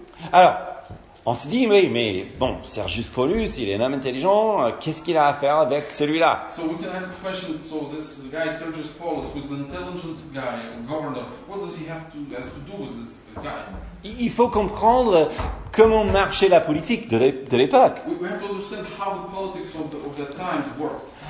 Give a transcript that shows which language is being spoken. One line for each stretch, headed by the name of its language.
French: Alors, on se dit, oui, mais bon, Sergius Paulus, il est un homme intelligent, qu'est-ce qu'il a à faire avec celui-là?
English: So we can ask a question, so this guy Sergius Paulus, who's an intelligent guy, a governor, what does he have to do with this guy?
French: Il faut comprendre comment marchait la politique de l'époque.
English: We have to understand how the politics of that time worked.